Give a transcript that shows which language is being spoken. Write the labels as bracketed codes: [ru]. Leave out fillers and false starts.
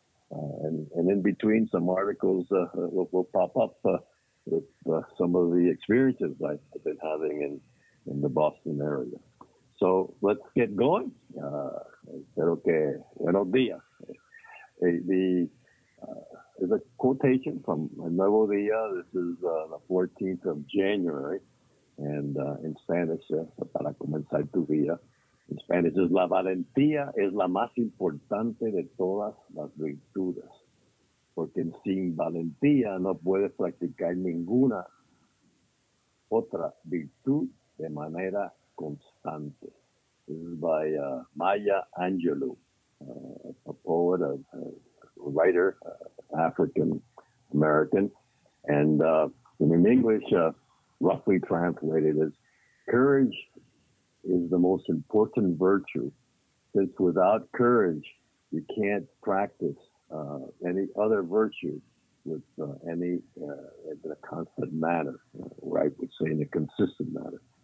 [en] And in between, some articles will pop up with some of the experiences I've been having in the Boston area. So let's get going. Okay, [es] buenos días. [en] There's a quotation from Nuevo Día. This is the 14th of January. And in Spanish, [es] para comenzar tu día. [en] In Spanish, it's [es] la valentía es la más importante de todas las virtudes. Porque sin valentía no puedes practicar ninguna otra virtud de manera constante. [en] This is by Maya Angelou, a poet, a writer, African-American. And in English, roughly translated as courage is the most important virtue, since without courage, you can't practice any other virtue with in a constant manner, or I would say in a consistent manner.